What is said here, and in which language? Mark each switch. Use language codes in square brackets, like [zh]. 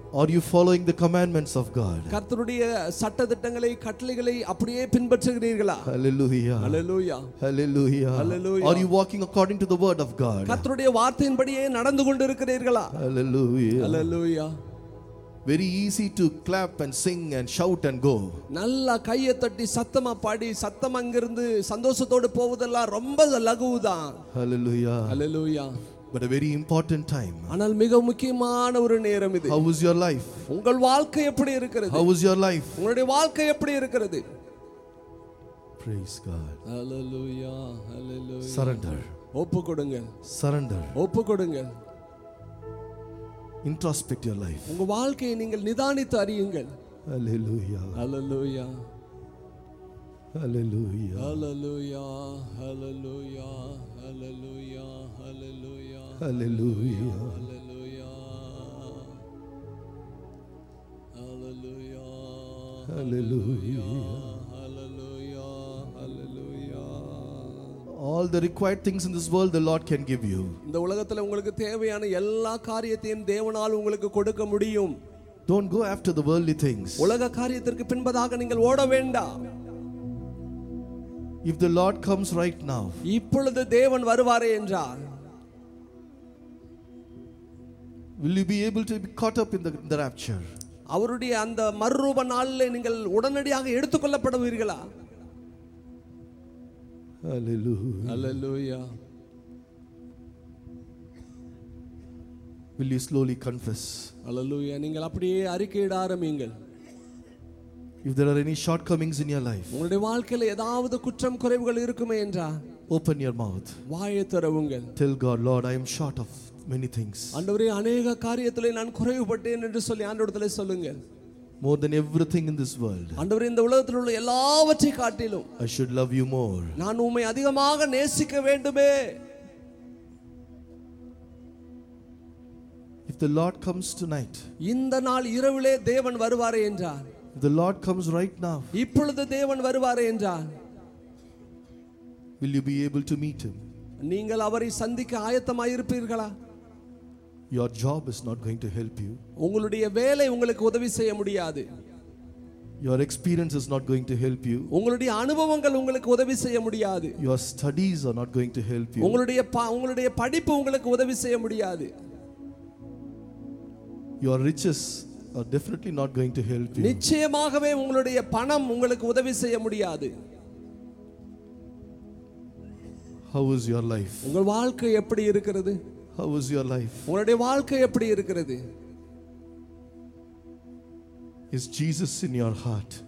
[en] Are you following the commandments of God? [ta] கர்த்தருடைய சட்டதிட்டங்களை கட்டளைகளை அப்படியே பின்பற்றுகிறீர்களா? [en] Hallelujah. Hallelujah. Hallelujah. Hallelujah. Are you walking according to the word of God? [ta] கர்த்தருடைய வார்த்தையின்படியே நடந்து கொண்டிருக்கிறீர்களா? [en] Hallelujah. Hallelujah. Very easy to clap and sing and shout and go. [ta] நல்ல கையை தட்டி சத்தமா பாடி சத்தமா அங்கிருந்து சந்தோஷத்தோட போவதெல்லாம் ரொம்ப லகுவுதான். [en] Hallelujah. Hallelujah. But a very important time. [ta] ஆனால் மிக முக்கியமான ஒரு நேரம் இது. [en] How is your life? [ta] உங்கள் வாழ்க்கை எப்படி இருக்கிறது? [en] How is your life? [ta] உங்களுடைய வாழ்க்கை எப்படி இருக்கிறது? [en] Praise God. Hallelujah. Hallelujah. Surrender. [ta] ஒப்பு கொடுங்க. [en] Surrender. [ta] ஒப்பு கொடுங்க. [en] Introspect your life. [ta] உங்க வாழ்க்கையை நீங்கள் நிதானித்து அறியுங்கள். [en] Hallelujah. Hallelujah. Hallelujah. Hallelujah. Hallelujah. Hallelujah. Hallelujah. Hallelujah. Hallelujah. Hallelujah. Hallelujah. Hallelujah. Hallelujah. All the required things in this world the Lord can give you. [ta] இந்த உலகத்துல உங்களுக்கு தேவையான எல்லா காரியத்தையும் தேவனால் உங்களுக்கு கொடுக்க முடியும். [en] Don't go after the worldly things. [ta] உலக காரியத்துக்கு பின்பதாக நீங்கள் ஓட வேண்டாம். [en] If the Lord comes right now. [ta] இப்பொழுது தேவன் வருவாரே என்றால் [en] will you be able to be caught up in the rapture? [ta] அவருடைய அந்த மறுரூப நாளில் நீங்கள் உடனடியாக எடுத்துக்கொள்ளப்படுவீர்களா? [en] Hallelujah. Hallelujah. Will you slowly confess? Hallelujah. [ta] நீங்கள் அப்படியே அறிக்கையிட ஆரம்பியுங்கள். [en] If there are any shortcomings in your life, [ta] உங்களுடைய வாழ்க்கையில் ஏதாவது குற்றம் குறைவுகள் இருக்குமே என்றால், [en] open your mouth. [ta] வாயை திறவுங்கள். [en] Tell God, Lord, I am short of many things. [ta] ஆண்டவரே, अनेक காரியத்திலே நான் குறைவுபட்டேன் என்று சொல்லி ஆண்டவரிடத்திலே சொல்லுங்கள். [en] More than everything in this world, [ta] ஆண்டவரே, இந்த உலகத்தில் உள்ள எல்லாவற்றை காட்டிலும் [en] I should love you more. [ta] நான் உம்மை அதிகமாக நேசிக்க வேண்டுமே. [en] If the Lord comes tonight, [ta] இந்த நாள் இரவிலே தேவன் வருவாரே என்றால், [en] If the Lord comes right now, [ta] இப்பொழுது தேவன் வருவாரே என்றால், [en] will you be able to meet him? [ta] நீங்கள் அவரை சந்திக்க ஆயத்தமாக இருப்பீர்களா? [en] Your job is not going to help you. [ta] உங்களுடைய வேலை உங்களுக்கு உதவி செய்ய முடியாது. [en] Your experience is not going to help you. [ta] உங்களுடைய அனுபவங்கள் உங்களுக்கு உதவி செய்ய முடியாது. [en] Your studies are not going to help you. [ta] உங்களுடைய படிப்பு உங்களுக்கு உதவி செய்ய முடியாது. [en] Your riches are definitely not going to help you. [ta] நிச்சயமாகவே உங்களுடைய பணம் உங்களுக்கு உதவி செய்ய முடியாது. [en] How is your life? [ta] உங்கள் வாழ்க்கை எப்படி இருக்கிறது? [en] How is your life? [ta] உங்களுடைய வாழ்க்கை எப்படி இருக்கிறது? [en] Is Jesus in your heart?